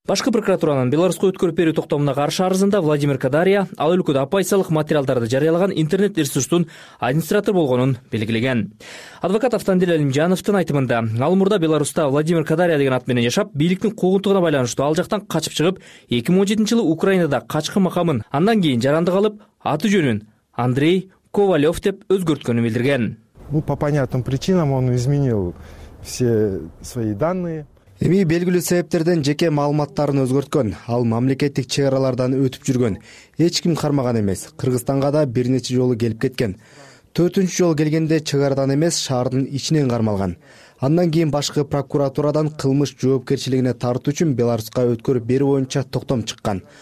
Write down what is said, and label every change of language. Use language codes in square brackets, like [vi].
[ky] Башкы прокуратуранын Беларуска өткөрүп берүү токтомуна каршы арызында Владимир Кадария ал өлкөдө оппозициялык материалдарды жарыялаган интернет ресурстун администратор болгонун белгилеген. Адвокат Автандил Алимжановдун айтымында, ал мурда Беларуста Владимир Кадария деген ат менен жашап, бийликтин куугунтугуна байланыштуу ал жактан качып чыгып, 2017-жылы Украинада качкын макамын, андан кийин жаранды калып, аты жөнүн Андрей Ковалев деп өзгөрткөнүн билдирген. [ru] Ну, по понятным причинам он изменил все свои данные. [ky] Эми белгилүү себептерден жеке маалыматтарын өзгөрткөн. Ал мамлекеттик чек аралардан өтүп жүргөн. Эч ким кармаган эмес. Кыргызстанга да бир нече жолу келип кеткен. Төртүнчү жолу келгенде чек арадан эмес, шаардын ичинен кармалган. Андан кийин башкы прокуратурадан кылмыш жоопкерчилигине тартуу үчүн Беларуска өткөрүп берүү боюнча токтом чыккан.